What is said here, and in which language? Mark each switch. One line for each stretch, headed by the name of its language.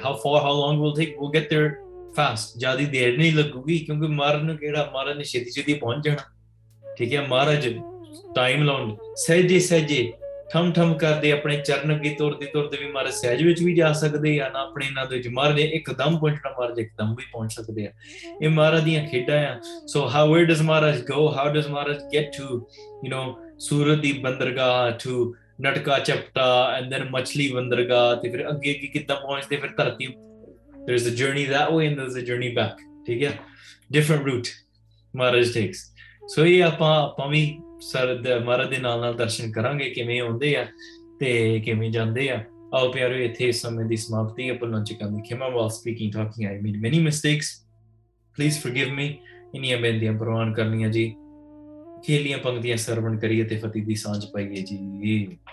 English: How far, how long will take? Will get there fast,
Punjabi: ਜ਼ਿਆਦਾ ਦੇਰ ਨਹੀਂ ਲੱਗੂਗੀ, ਕਿਉਂਕਿ ਮਹਾਰਾਜ ਨੂੰ ਕਿਹੜਾ, ਮਹਾਰਾਜ ਨੇ ਛੇਤੀ ਛੇਤੀ ਪਹੁੰਚ ਜਾਣਾ, ਠੀਕ ਹੈ, ਮਹਾਰਾਜ ਟਾਈਮ ਲਾਉਣ, ਸਹਿਜੇ ਸਹਿਜੇ ਠਮ ਠਮ ਕਰਦੇ ਆਪਣੇ ਚਰਨ ਅੱਗੇ ਤੁਰਦੇ ਤੁਰਦੇ ਵੀ ਮਹਾਰਾਜ ਸਹਿਜ ਵਿੱਚ ਵੀ ਜਾ ਸਕਦੇ ਆ, ਨਾ ਆਪਣੇ ਇਹਨਾਂ ਦੇ ਵਿੱਚ, ਮਹਾਰਾਜ ਨੇ ਇੱਕਦਮ ਪਹੁੰਚਣਾ, ਮਹਾਰਾਜ ਇੱਕਦਮ ਵੀ ਪਹੁੰਚ ਸਕਦੇ ਆ, ਇਹ ਮਹਾਰਾਜ ਦੀਆਂ ਖੇਡਾਂ ਆ।
English: so how where does Maharaj go, how does Maharaj get to, you know,
Punjabi: ਸੂਰਤ ਦੀ ਬੰਦਰਗਾਹ
English: to ਨਟਕਾ ਚਪਟਾ and then ਮਛਲੀ ਬੰਦਰਗਾਹ,
Punjabi: ਤੇ ਫਿਰ ਅੱਗੇ ਅੱਗੇ ਕਿੱਦਾਂ ਪਹੁੰਚਦੇ ਫਿਰ ਧਰਤੀ?
English: There is a journey that way and there is a journey back.
Punjabi: ਠੀਕ ਹੈ,
English: different route Maharaj takes. So
Punjabi: ਇਹ ਆਪਾਂ ਵੀ ਸਰ ਮਹਾਰਾਜ ਦੇ ਨਾਲ ਨਾਲ ਦਰਸ਼ਨ ਕਰਾਂਗੇ, ਕਿਵੇਂ ਆਉਂਦੇ ਆ ਤੇ ਕਿਵੇਂ ਜਾਂਦੇ ਆ। ਆਓ ਪਿਆਰੋ, ਇੱਥੇ ਸਮੇਂ ਦੀ ਸਮਾਪਤੀ ਹੈ, ਭੁੱਲਣ ਚੁੱਕਣ ਦੀ ਖਿਮਾ,
English: while speaking talking, I mean many mistakes, please forgive me,
Punjabi: ਇੰਨੀਆਂ ਬੇਨਤੀਆਂ ਪ੍ਰਵਾਨ ਕਰਨੀਆਂ ਜੀ, ਖੇਲੀਆਂ ਪੰਕਤੀਆਂ ਸਰਵਣ ਕਰੀਏ ਤੇ ਫਤਿਹ ਦੀ ਸਾਂਝ ਪਾਈਏ ਜੀ।